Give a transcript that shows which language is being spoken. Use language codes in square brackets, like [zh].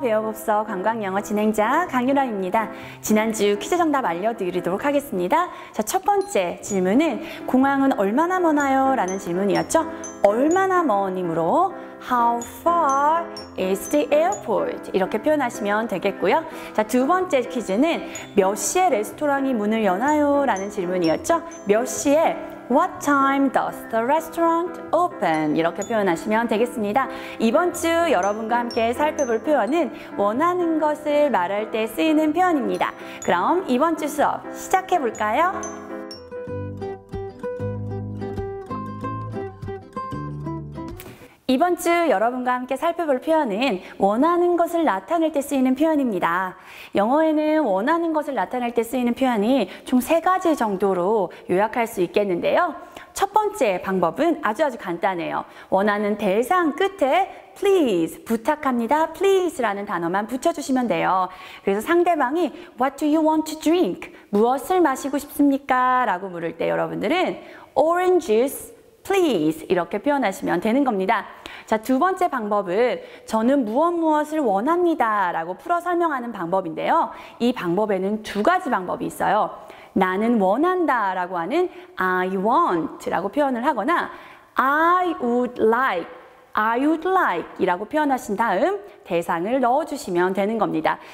[ko] 배워봅서 관광영어 진행자 강유라입니다. 지난주 퀴즈 정답 알려드리도록 하겠습니다. 자, 첫 번째 질문은 공항은 얼마나 머나요? 라는 질문이었죠. 얼마나 먼이므로 [en] How far is the airport? [ko] 이렇게 표현하시면 되겠고요. 자, 두 번째 퀴즈는 몇 시에 레스토랑이 문을 여나요? 라는 질문이었죠. 몇 시에 [en] What time does the restaurant open? [ko] 이렇게 표현하시면 되겠습니다. 이번 주 여러분과 함께 살펴볼 표현은 원하는 것을 말할 때 쓰이는 표현입니다. 그럼 이번 주 수업 시작해 볼까요? 이번 주 여러분과 함께 살펴볼 표현은 원하는 것을 나타낼 때 쓰이는 표현입니다. 영어에는 원하는 것을 나타낼 때 쓰이는 표현이 총 세 가지 정도로 요약할 수 있겠는데요. 첫 번째 방법은 아주 간단해요. 원하는 대상 끝에 please, 부탁합니다. please라는 단어만 붙여주시면 돼요. 그래서 상대방이 [en] what do you want to drink? [ko] 무엇을 마시고 싶습니까? 라고 물을 때 여러분들은 [en] oranges, please [ko] 이렇게 표현하시면 되는 겁니다. 자, 두 번째 방법은 저는 무엇무엇을 원합니다 라고 풀어 설명하는 방법인데요. 이 방법에는 두 가지 방법이 있어요. 나는 원한다 라고 하는 [en] I want [ko] 라고 표현을 하거나 [en] I would like [ko] 이라고 표현하신 다음 대상을 넣어주시면 되는 겁니다.